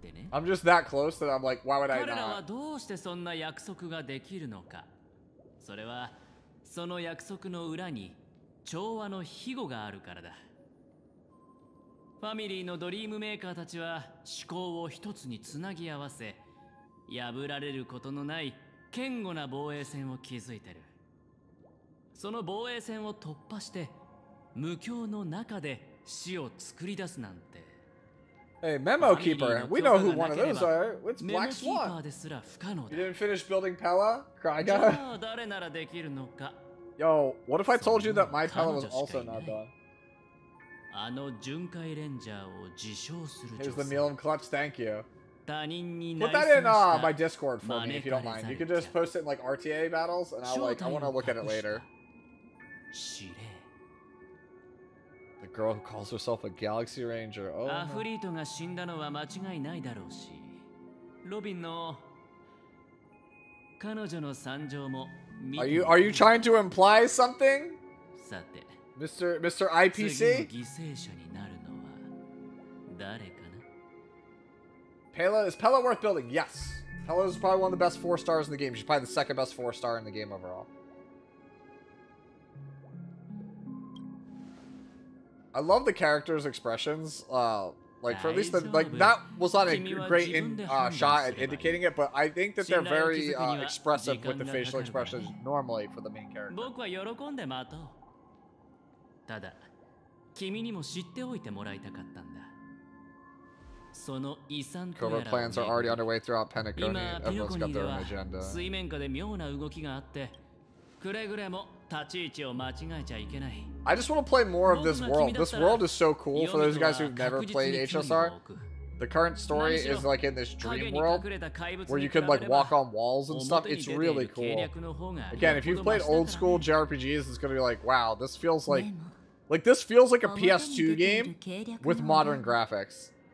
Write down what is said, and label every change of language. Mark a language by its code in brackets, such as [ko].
[en] I'm just that close that I'm like, why would I not? [ja] どうしてそんな約束ができるのか。それはその約束の裏に調和の庇護があるからだ。ファミリーのドリームメーカーたちは思考を一つにつなぎ合わせ、破られることのない堅固な防衛線を築いてる。その防衛線を突破して無境の中で死を作り出すなんて。 [en] Hey, Memo Keeper, we know who one of those are. It's Black Swan. You didn't finish building Pella? Cryga? Yo, what if I told you that my Pella was also not done? Here's the meal and clutch, thank you. Put that in my Discord for me if you don't mind. You can just post it in like RTA battles, and I want to look at it later. The girl who calls herself a Galaxy Ranger. Oh. [ja] Afrito が死んだのは間違いないだろうし、ロビンの彼女の惨状も。 [en] Are you trying to imply something? [ja] さて、 [en] Mr. IPC? [ja] 次の犠牲者になるのは誰かな。 [en] Pella, is Pella worth building? Yes. Pella is probably one of the best 4 stars in the game. She's probably the second best 4 star in the game overall. I love the characters' expressions, like, for at least, like, that was not a great shot at indicating it, but I think that they're very expressive with the facial expressions normally for the main character. Cover plans are already underway throughout Pentagonia. Everyone's got their own agenda. [ja] 水面下で妙な動きがあって、くれぐれも立ち位置を間違えちゃいけない。 [en] I just want to play more of this world. This world is so cool for those guys who've never played HSR. The current story is like in this dream world where you can like walk on walls and stuff. It's really cool. Again, if you've played old school JRPGs, it's going to be like, wow, this feels like this feels like a PS2 game with modern graphics.